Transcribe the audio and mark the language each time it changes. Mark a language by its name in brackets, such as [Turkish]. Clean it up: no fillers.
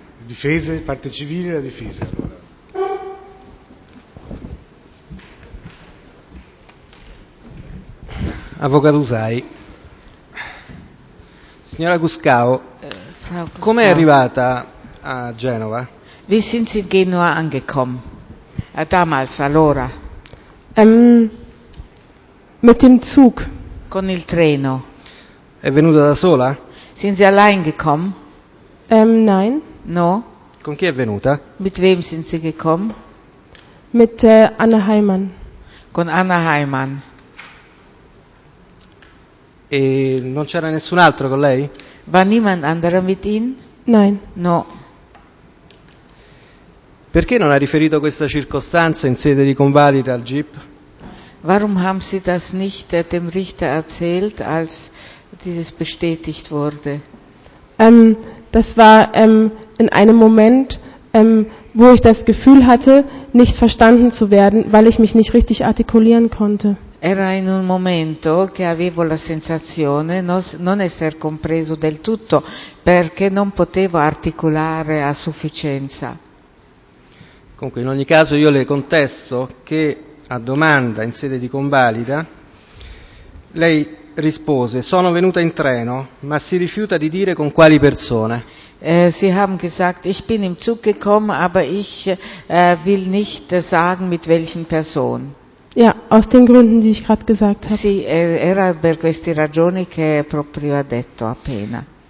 [Italian] Difese, parte civile e la difesa. Allora. Avvocato Usai, signora Guscao, come è arrivata a Genova? [German] Wie sind Sie in Genua angekommen? Damals, allora? Mit dem Zug. [Italian] Con il treno. È venuta da sola? [German] Sind Sie allein gekommen? Nein. [Italian] No? Con chi è venuta? [German] Mit wem sind Sie gekommen? Mit Anna Heimann. [Italian] Con Anna Heimann. E non c'era nessun altro con lei? [German] War niemand anderer mit Ihnen? Nein. [Italian] No. Perché non ha riferito questa circostanza in sede di convalida al GIP? [German] Warum haben Sie das nicht dem Richter erzählt, als dieses bestätigt wurde? Das war in einem Moment, wo ich das Gefühl hatte, nicht verstanden zu werden, weil ich mich nicht richtig artikulieren konnte. [Italian] Era in un momento che avevo la sensazione non essere compreso del tutto perché non potevo articolare a sufficienza. Comunque, in ogni caso, io le contesto che a domanda in sede di convalida lei rispose: sono venuta in treno, ma si rifiuta di dire con quali persone. [German] Sie haben gesagt, ich bin im Zug gekommen, aber ich will nicht sagen, mit welchen Personen. Ja, aus den Gründen, die ich gerade gesagt habe. [Italian] Sì, era per queste ragioni che proprio ha detto appena.